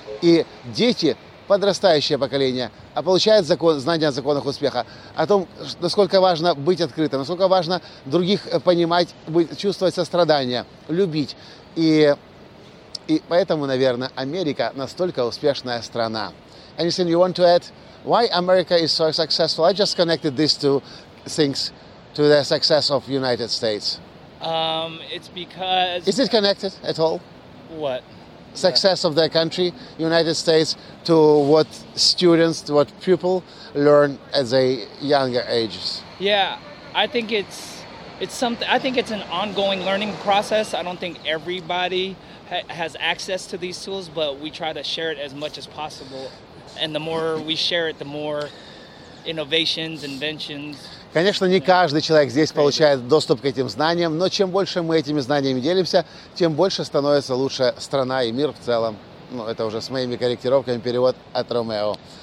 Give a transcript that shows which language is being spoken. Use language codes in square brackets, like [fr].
[ru] И дети, подрастающее поколение, а получает знания о законах успеха, о том, насколько важно быть открытым, насколько важно других понимать, чувствовать сострадание, любить. И поэтому, наверное, Америка настолько успешная страна. [en] Anything you want to add? Why America is so successful? I just connected these two things to the success of United States. It's because... Is it connected at all? What? Success of their country, United States, to what students, to what people learn at a younger ages. Yeah, I think it's something. I think it's an ongoing learning process. I don't think everybody has access to these tools, but we try to share it as much as possible. And the more we share it, the more innovations, inventions. [ru] Конечно, не каждый человек здесь получает доступ к этим знаниям, но чем больше мы этими знаниями делимся, тем больше становится лучше страна и мир в целом. Ну, это уже с моими корректировками перевод от Ромео.